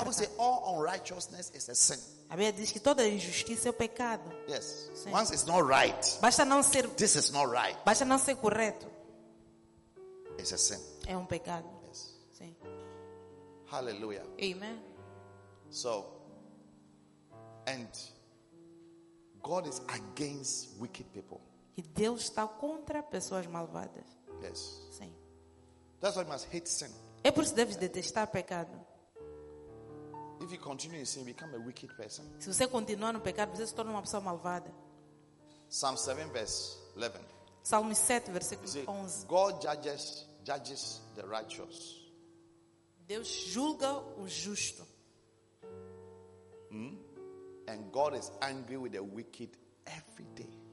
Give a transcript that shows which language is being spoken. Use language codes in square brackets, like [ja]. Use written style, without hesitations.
[en] Bible says all unrighteousness is a sin. [pt] A Bíblia diz que toda injustiça é o pecado. [en] Yes. [pt] Sim. [en] Once it's not right, [pt] basta não ser, [en] this is not right, [pt] basta não ser correto, [en] it's a sin. [pt] É um pecado. [en] Yes. [pt] Sim. Hallelujah. Amen. [en] So, and God is against wicked people. [pt] E Deus está contra pessoas malvadas. [en] Yes. [pt] Sim. [en] That's why you must hate sin. [pt] É por isso que deves detestar pecado. [en] If you continue in sin, you become a wicked person. [pt] Se você continuar no pecado, você se torna uma pessoa malvada. [en] Psalm 7 verse 11. [pt] Salmo 7 versículo 11. [en] God judges the righteous. [pt] Deus julga o justo. [en] And God is angry with the wicked every day.